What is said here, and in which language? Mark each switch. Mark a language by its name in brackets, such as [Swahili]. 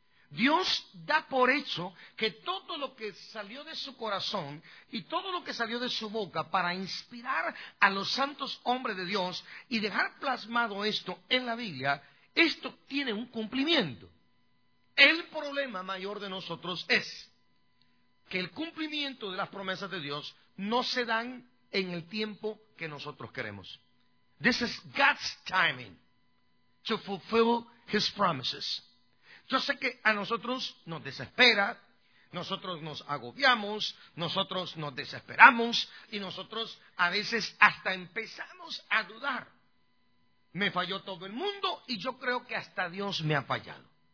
[Spanish] Dios da por hecho que todo lo que salió de su corazón y todo lo que salió de su boca para inspirar a los santos hombres de Dios y dejar plasmado esto en la Biblia, esto tiene un cumplimiento. El problema mayor de nosotros es que el cumplimiento de las promesas de Dios no se dan en el tiempo que nosotros queremos. [English] This is God's timing to fulfill His promises. [Spanish] Yo sé que a nosotros nos desespera, nosotros nos agobiamos, nosotros nos desesperamos y nosotros a veces hasta empezamos a dudar. Me falló todo el mundo y yo creo que hasta Dios me ha fallado.